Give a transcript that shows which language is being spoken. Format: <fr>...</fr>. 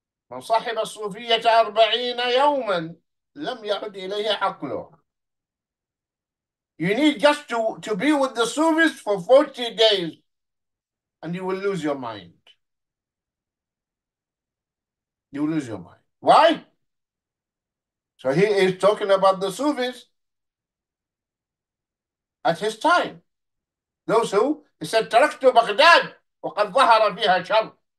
<ar>من صاحب الصوفية 40 يوما لم يعد إليه عقله.</ar> <en>You need just to be with the Sufis for 40 days and you will lose your mind. You will lose your mind. Why? So he is talking about the Sufis at his time. Those who, he said,</en> <ar>تركتوا بغداد وقد ظهر فيها شر.</ar>